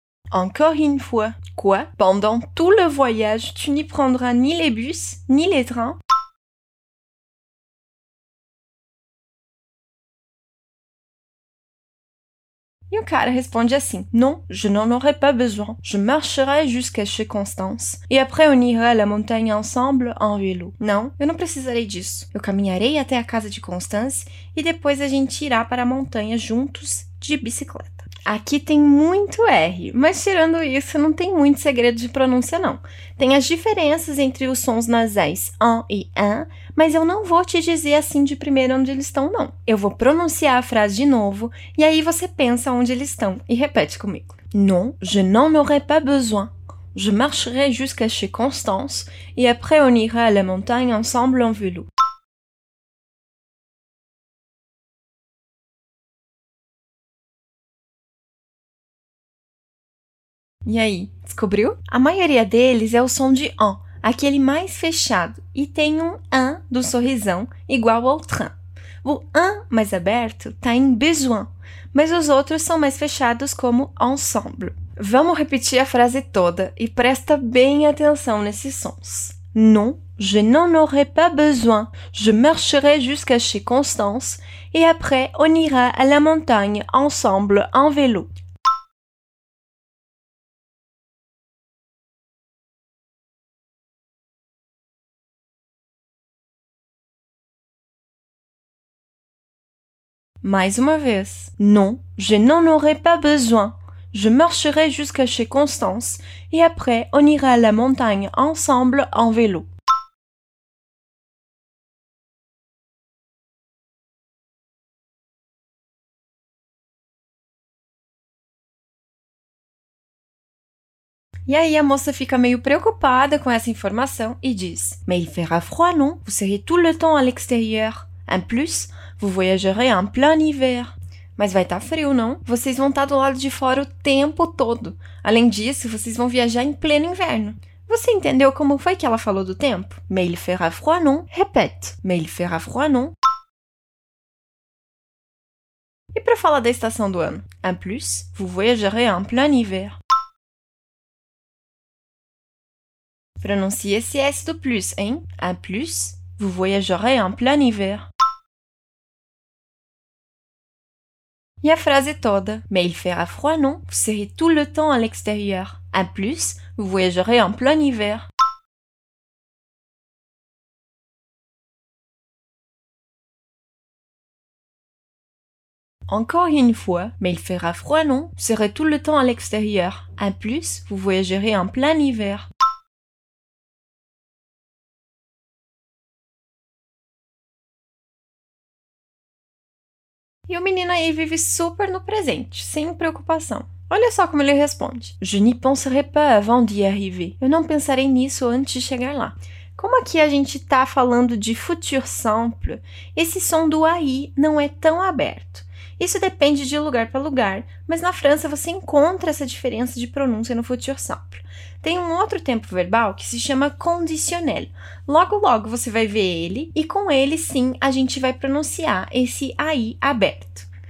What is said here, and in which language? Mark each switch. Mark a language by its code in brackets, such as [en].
[fr] Encore une fois. Quoi? Pendant tout le voyage, tu n'y prendras ni les bus, ni les trains. [pt] E o cara responde assim. [fr] Non, je n'en aurai pas besoin. Je marcherai jusqu'à chez Constance. Et après, on ira à la montagne ensemble en vélo. [pt] Non, eu não precisarei disso. Eu caminharei até a casa de Constance e depois a gente irá para a montanha juntos de bicicleta. Aqui tem muito R, mas tirando isso, não tem muito segredo de pronúncia, não. Tem as diferenças entre os sons nasais an e an, mas eu não vou te dizer assim de primeira onde eles estão, não. Eu vou pronunciar a frase de novo, e aí você pensa onde eles estão e repete comigo. [fr] Non, je n'en aurai pas besoin. Je marcherai jusqu'à chez Constance, et après on ira à la montagne ensemble en vélo. [pt] E aí, descobriu? A maioria deles é o som de an, aquele mais fechado, e tem um an do sorrisão igual ao train. O un mais aberto tá em besoin, mas os outros são mais fechados como ensemble. Vamos repetir a frase toda e presta bem atenção nesses sons. [fr] Non, je n'en aurai pas besoin. Je marcherai jusqu'à chez Constance et après on ira à la montagne ensemble en vélo. [pt] Mais uma vez. [fr] Non, je n'en aurai pas besoin. Je marcherai jusqu'à chez Constance et après on ira à la montagne ensemble en vélo. [pt] E aí a moça fica meio preocupada com essa informação e diz: [fr] Mais il fera froid, non? Vous serez tout le temps à l'extérieur. En plus, vous voyagerez en plein hiver. [pt] Mas vai estar frio, não? Vocês vão estar do lado de fora o tempo todo. Além disso, vocês vão viajar em pleno inverno. Você entendeu como foi que ela falou do tempo? [fr] Mais il fera froid, non? [pt] Repete. [fr] Mais il fera froid, non? [pt] E para falar da estação do ano? [fr] En plus, vous voyagerez en plein hiver. [pt] Pronuncie esse S do plus, hein? [fr] En plus, vous voyagerez en plein hiver. [pt] E a frase toda. [fr] Mais il fera froid, non? Vous serez tout le temps à l'extérieur. En plus, vous voyagerez en plein hiver. Encore une fois. Mais il fera froid, non? Vous serez tout le temps à l'extérieur. En plus, vous voyagerez en plein hiver. [pt] E o menino aí vive super no presente, sem preocupação. Olha só como ele responde. [fr] Je n'y penserai pas avant d'y arriver. [pt] Eu não pensarei nisso antes de chegar lá. Como aqui a gente está falando de futur simple, esse som do AI não é tão aberto. Isso depende de lugar para lugar, mas na França você encontra essa diferença de pronúncia no futur simple. Tem um outro tempo verbal que se chama conditionnel. Logo, logo você vai ver ele e com ele sim a gente vai pronunciar esse AI aberto.